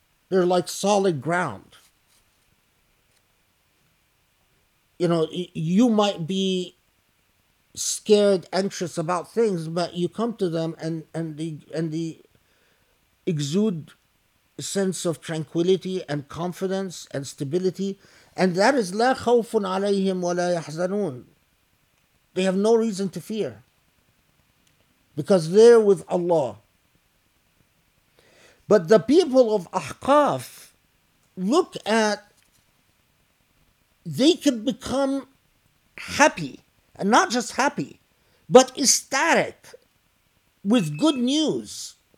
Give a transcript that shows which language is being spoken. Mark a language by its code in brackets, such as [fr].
[en] They're like solid ground. You might be scared, anxious about things, but you come to them and they exude sense of tranquility and confidence and stability. And that is [ar] لا خوف عليهم ولا يحزنون. [en] They have no reason to fear, because they're with Allah. But the people of Ahqaf, look at, they could become happy, and not just happy, but ecstatic with good news.